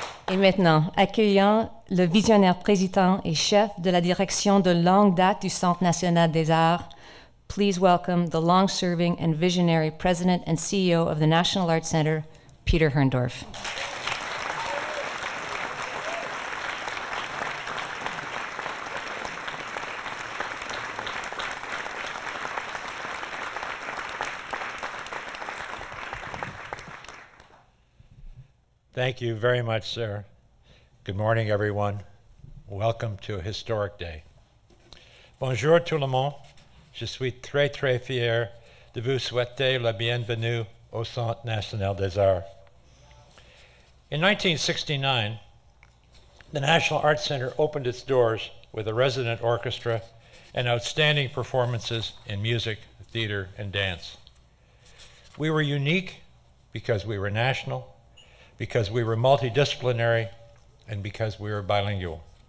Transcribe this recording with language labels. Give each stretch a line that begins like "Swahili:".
French: Et maintenant, accueillons le visionnaire président et chef de la direction de longue date du Centre national des arts.
English: Please welcome the long-serving and visionary president and CEO of the National Arts Center, Peter Herndorf. Thank you very much, sir. Good morning, everyone. Welcome to a historic day.
French: Bonjour tout le monde. Je suis très, très fier de vous souhaiter la bienvenue au Centre National des Arts.
English: In 1969, the National Arts Center opened its doors with a resident orchestra and outstanding performances in music, theater, and dance. We were unique because we were national, because we were multidisciplinary, and because we were bilingual.